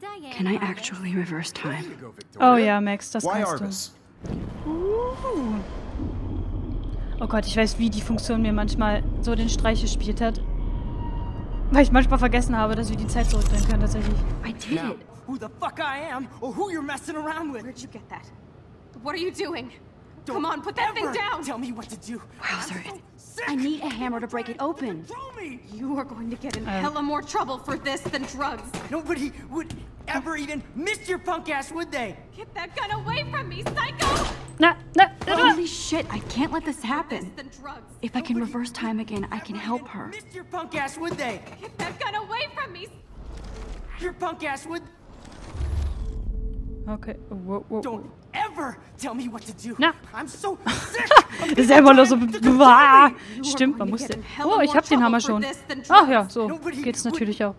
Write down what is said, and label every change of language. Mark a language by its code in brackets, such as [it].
[en] Can I actually reverse time? [de] Oh ja, Max, das kannst du. Oh Gott, ich weiß, wie die Funktion mir manchmal so den Streich gespielt hat. Weil ich manchmal vergessen habe, dass wir die Zeit zurückdrehen können, tatsächlich. [en] I did it. Who the fuck I am or who you're messing around with? Where'd you get that? What are you doing? Don't come on, put that thing down. Tell me what to do. Wow, sorry. I need a hammer to break it open. You are going to get in hella more trouble for this than drugs. Nobody would ever even miss your punk ass, would they? Get that gun away from me, psycho! No. Holy shit, I can't let this happen. If I can reverse time again, I can help her. Miss your punk ass, would they? Get that gun away from me. Your punk ass would. Okay. Whoa. Don't ever tell me what to do. [de] Na. [en] I'm so sick. [de] Selber nur so. Wah. Stimmt, man musste. Oh, ich hab den Hammer schon. Ach ja, so geht's natürlich auch.